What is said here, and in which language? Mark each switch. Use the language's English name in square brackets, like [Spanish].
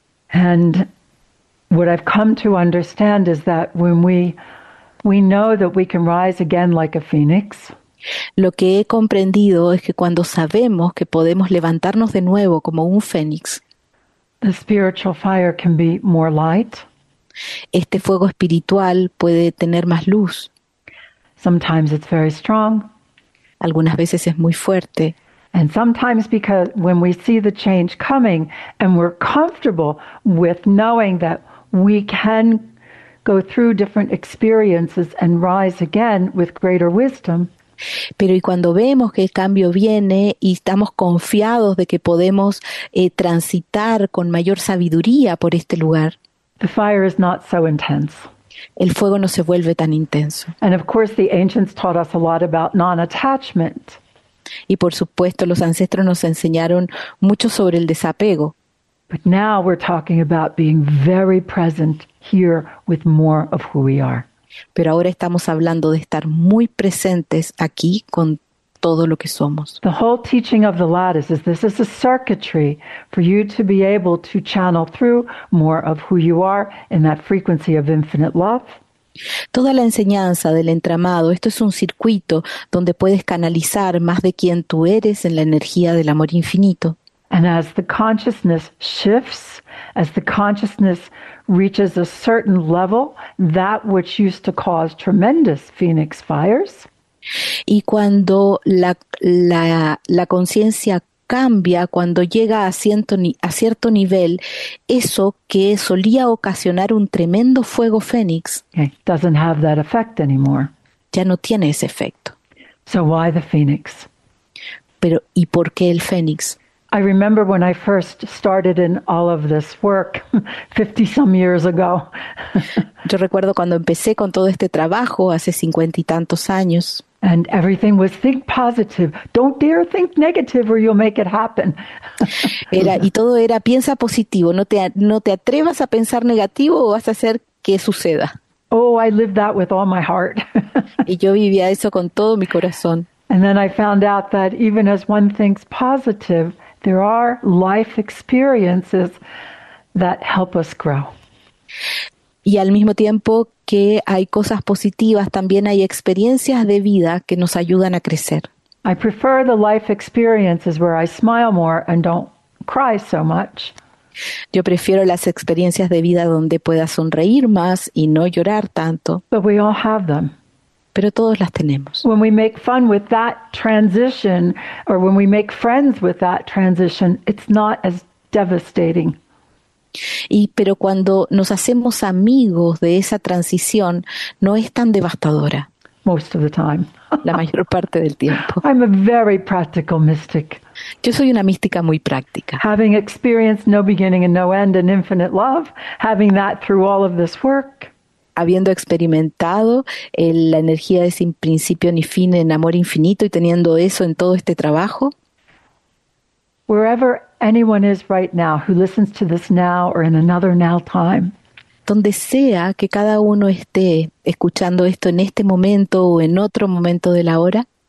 [English] And what I've come to understand is that when we know that we can rise again like a phoenix. [Spanish] Lo que he comprendido es que cuando sabemos que podemos levantarnos de nuevo como un fénix. [English] The spiritual fire can be more light. [Spanish] Este fuego espiritual puede tener más luz. [English] Sometimes it's very strong. [Spanish] Algunas veces es muy fuerte. [English] And sometimes because when we see the change coming and we're comfortable with knowing that we can go through different experiences and rise again with greater wisdom. [Spanish] Pero y cuando vemos que el cambio viene y estamos confiados de que podemos transitar con mayor sabiduría por este lugar. [English] The fire is not so intense. [Spanish] El fuego no se vuelve tan intenso. [English] And of course the ancients taught us a lot about non-attachment. [Spanish] Y por supuesto los ancestros nos enseñaron mucho sobre el desapego. [English] But now we're talking about being very present here with more of who we are. [Spanish] Pero ahora estamos hablando de estar muy presentes aquí con todo lo que somos. [English] The whole teaching of the lattice is this is a circuitry for you to be able to channel through more of who you are in that frequency of infinite love. [Spanish] Toda la enseñanza del entramado, esto es un circuito donde puedes canalizar más de quien tú eres en la energía del amor infinito. [English] And as the consciousness shifts, as the consciousness reaches a certain level, that which used to cause tremendous phoenix fires. [Spanish] Y cuando la conciencia cambia, cuando llega a cierto nivel, eso que solía ocasionar un tremendo fuego fénix, [English] okay, doesn't have that effect anymore. [Spanish] Ya no tiene ese efecto. [English] So why the phoenix? [Spanish] Pero ¿y por qué el fénix? [English] I remember when I first started in all of this work 50 some years ago. [Spanish] Yo recuerdo cuando empecé con todo este trabajo hace 50 y tantos años. [English] And everything was think positive. Don't dare think negative or you'll make it happen. [Spanish] Era y todo era piensa positivo, no te atrevas a pensar negativo o vas a hacer que suceda. [English] Oh, I lived that with all my heart. [Spanish] Y yo vivía eso con todo mi corazón. [English] And then I found out that even as one thinks positive, there are life experiences that help us grow. [Spanish] Y al mismo tiempo que hay cosas positivas, también hay experiencias de vida que nos ayudan a crecer. [English] I prefer the life experiences where I smile more and don't cry so much. [Spanish] Yo prefiero las experiencias de vida donde pueda sonreír más y no llorar tanto. [English] But we all have them. [Spanish] Pero todos las tenemos. [English] When we make fun with that transition, or when we make friends with that transition, it's not as devastating. [Spanish] Pero cuando nos hacemos amigos de esa transición, no es tan devastadora. [English] Most of the time. [Spanish] La mayor parte del tiempo. [English] I'm a very practical mystic. [Spanish] Yo soy una mística muy práctica. [English] Having experienced no beginning and no end and infinite love, having that through all of this work. [Spanish] Habiendo experimentado la energía de sin principio ni fin en amor infinito y teniendo eso en todo este trabajo. [English] Wherever anyone is right now who listens to this now or in another now time. [Spanish] Donde sea que cada uno esté escuchando esto en este momento o en otro momento de la hora.